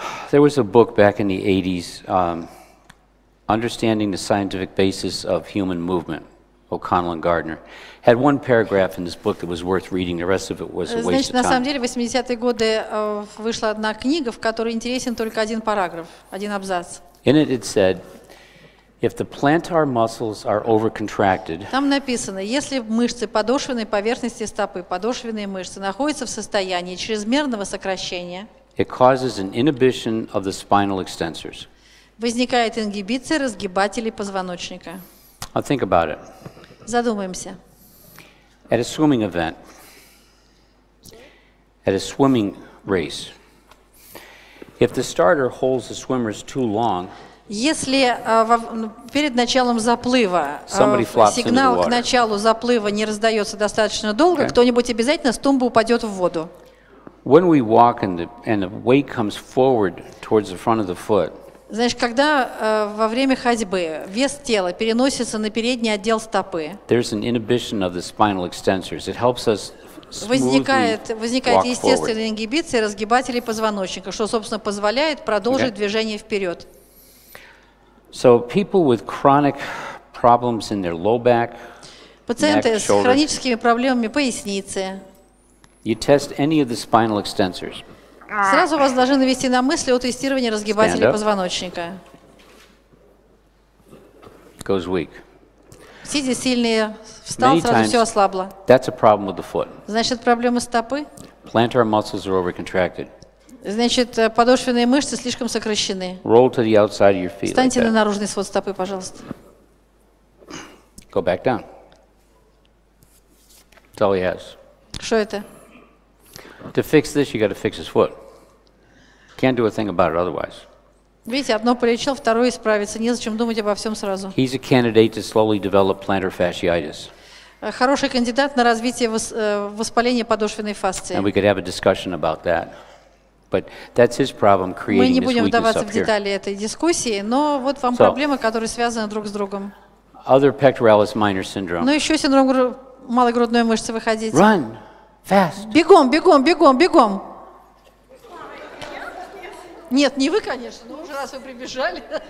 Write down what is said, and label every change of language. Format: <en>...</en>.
<en>There was a book back in the 80s, Understanding the Scientific Basis of Human Movement, O'Connell and Gardner. Had one paragraph in this book that was worth reading, the rest of it was a waste of time.</en> <ru>Значит, на самом деле, в 80-е годы вышла одна книга, в которой интересен только один параграф, один абзац.</ru> <en>In it it said, if the plantar muscles are overcontracted,</en> <ru>там написано, если мышцы подошвенной поверхности стопы, подошвенные мышцы, находятся в состоянии чрезмерного сокращения,</ru> <en>it causes an inhibition of the spinal extensors.</en> <ru>Возникает ингибиция разгибателей позвоночника.</ru> <en>Now think about it.</en> <ru>Задумаемся.</ru> <en>At a swimming event, at a swimming race, if the starter holds the swimmers too long,</en> <ru>если перед началом заплыва сигнал к началу заплыва не раздается достаточно долго, okay, кто-нибудь обязательно с тумбы упадет в воду.</ru> <en>When we walk and the weight comes forward towards the front of the foot.</en> <ru>Знаешь, когда во время ходьбы вес тела переносится на передний отдел стопы.</ru> <en>There's an inhibition of the spinal extensors. It helps us</en> <ru>возникает естественная ингибиция разгибателей позвоночника, что, собственно, позволяет продолжить движение вперед.</ru> <en>So people with chronic problems in their low back,</en> <ru>пациенты с хроническими проблемами поясницы.</ru> <en>You test any of the spinal extensors.</en> <ru>Сразу вас должны навести на мысли о тестировании разгибателей позвоночника.</ru> <en>Goes weak.</en> <ru>Сидя сильнее, встал, many сразу все ослабло.</ru> <en>That's a problem with the foot.</en> <ru>Значит, проблема стопы.</ru> <en>Plantar muscles are overcontracted.</en> <ru>Значит, подошвенные мышцы слишком сокращены.</ru> <en>Roll to the outside of your feet.</en> <ru>Встаньте</ru> <en>like</en> <ru>на наружный свод стопы, пожалуйста.</ru> <en>Go back down. That's all he has.</en> <ru>Что это?</ru> <en>To fix this, you got to fix his foot. Can't do a thing about it otherwise.</en> <ru>Видите, одно полечил, второе исправится. Незачем думать обо всем сразу.</ru> <en>He's a candidate to slowly develop plantar fasciitis.</en> <ru>Хороший кандидат на развитие воспаления подошвенной фасции.</ru> <en>And we could have a discussion about that. But that's his problem, creating this weakness up here.</en> <ru>Мы не будем вдаваться в детали этой дискуссии, но вот вам проблемы, которые связаны друг с другом.</ru> <en>Other pectoralis minor syndrome.</en> <ru>Но еще синдром малой грудной мышцы выходить.</ru> <en>Run! Fast!</en> <ru>Бегом, бегом, бегом, бегом! Нет, не вы, конечно, но уже раз вы прибежали.</ru>